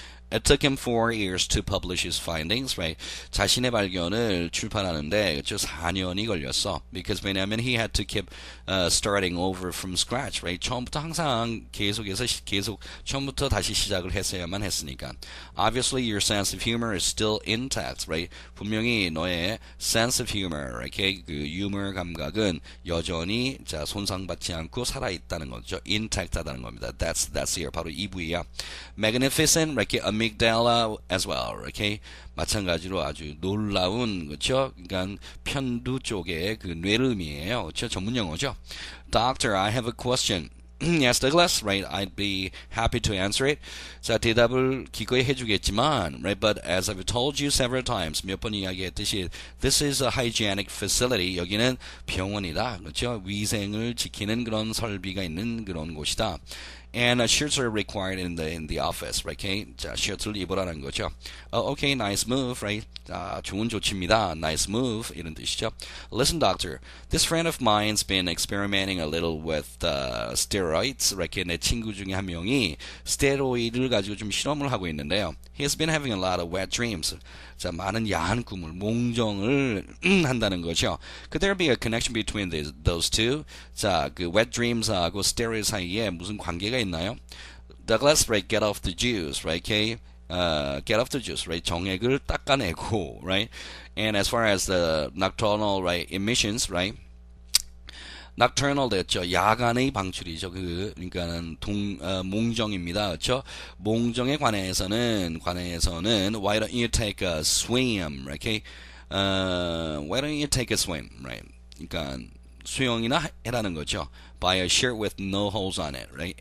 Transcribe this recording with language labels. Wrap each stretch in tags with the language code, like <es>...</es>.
<en>It took him 4 years to publish his findings, right?</en> <ko>자신의 발견을 출판하는데 4년이 걸렸어.</ko> <en>Because</en> <ko>왜냐하면</ko> <en>he had to keep starting over from scratch, right?</en> <ko>처음부터 항상 계속 처음부터 다시 시작을 했어야만 했으니까.</ko> <en>Obviously, your sense of humor is still intact, right?</en> <ko>분명히 너의</ko> <en>sense of humor, okay?</en> <ko>그 유머 감각은 여전히 손상받지 않고 살아있다는 거죠. Intact하다는 겁니다.</ko> <en>That's here.</en> <ko>바로 이 부위야.</ko> <en>Magnificent, right? Amygdala as well, okay?</en> <ko>마찬가지로 아주 놀라운, 그쵸? 그러니까 편두 쪽의 그 뇌름이에요, 그쵸? 전문 용어죠.</ko> <en>Doctor, I have a question. Yes, Douglas, right? I'd be happy to answer it.</en> <ko>자, 대답을 기꺼이 해주겠지만,</ko> <en>right? But as I've told you several times,</en> <ko>몇 번 이야기했듯이,</ko> <en>this is a hygienic facility.</en> <ko>여기는 병원이다, 그쵸? 위생을 지키는 그런 설비가 있는 그런 곳이다.</ko> <en>And shirts are required in the office, right? Okay?</en> <ko>자, 셔츠를 입으라는 거죠.</ko> <en>Okay, nice move, right?</en> <ko>자, 좋은 조치입니다.</ko> <en>Nice move,</en> <ko>이런 뜻이죠.</ko> <en>Listen, doctor. This friend of mine's been experimenting a little with steroids, right?</en> <ko>Okay? 내 친구 중에 한 명이 스테로이드를 가지고 좀 실험을 하고 있는데요.</ko> <en>He has been having a lot of wet dreams.</en> <ko>자, 많은 야한 꿈을, 몽정을 한다는 거죠.</ko> <en>Could there be a connection between those two?</en> <ko>자, 그 wet dreams하고 steroids 사이에 무슨 관계가 있나요?</ko> <en>Douglas, right, get off the juice, right, okay? Get off the juice, right?</en> <ko>정액을 닦아내고,</ko> <en>right? And as far as the nocturnal, right, emissions, right?</en> <ko>Nocturnal 됐죠. 야간의 방출이죠. 그러니까는 몽정입니다. 그렇죠? 몽정에 관해서는</ko> <en>why don't you take a swim, right? Okay? Why don't you take a swim, right?</en> <ko>그러니까 수영이나 해라는 거죠.</ko> <en>Buy a shirt with no holes on it, right?</en>